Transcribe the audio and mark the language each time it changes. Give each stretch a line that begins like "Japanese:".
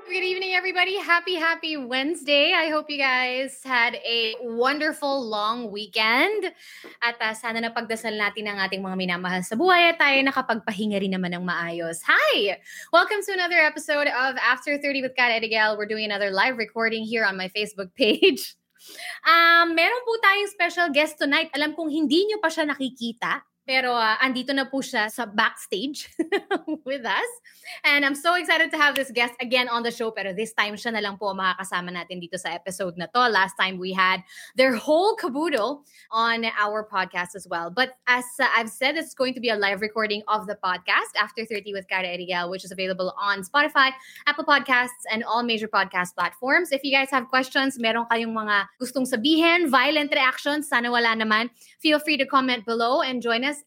English: Happy, happy Wednesday. I hope you guys had a wonderful long weekend.
Filipino: At sana napagdasal natin ang ating mga minamahal sa buhay at tayo nakapagpahinga rin naman ng maayos. Hi!
English: Welcome to another episode of After 30 with Cara Erigel. We're doing another live recording here on my Facebook page.
Filipino: Meron po tayong
English: special guest tonight.
Filipino: Alam kong hindi nyo pa siya nakikita. Pero andito na po siya sa backstage
English: with us. And I'm so excited to have this guest again on the show.
Filipino: Pero
English: this time
Filipino: siya na lang po ang makakasama natin dito sa episode na to.
English: Last time we had their whole caboodle on our podcast as well. But as I've said, it's going to be a live recording of the podcast, After 30 with Cara Erigel, which is available on Spotify, Apple Podcasts, and all major podcast platforms. If you guys have questions,
Filipino: meron kayong mga gustong sabihin,
English: violent reactions,
Filipino: sana wala naman,
English: feel free to comment below and join us.